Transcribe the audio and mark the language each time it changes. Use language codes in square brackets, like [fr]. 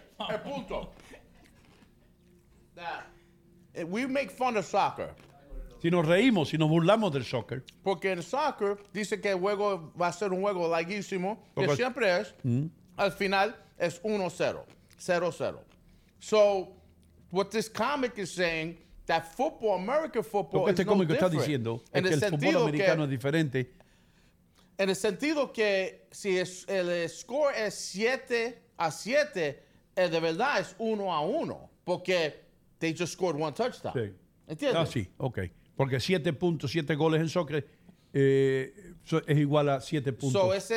[es] El punto. [en] We make fun of soccer. [es] Si nos reímos, si nos burlamos del soccer. Porque el soccer dice que el juego va a ser un juego larguísimo, que siempre es, al final es 1-0, 0-0. [en] So, what this comic is saying, that football, American football, [es] lo que este [en] is [es] cómico no está diciendo es que el fútbol americano es diferente. En el sentido que si el score es 7-7, de verdad es 1-1, porque... [en] They just scored 1 touchdown. [es] Sí. ¿Entiendes? Ah, sí, ok. Porque 7 puntos, 7 goles en soccer es igual a 7 puntos.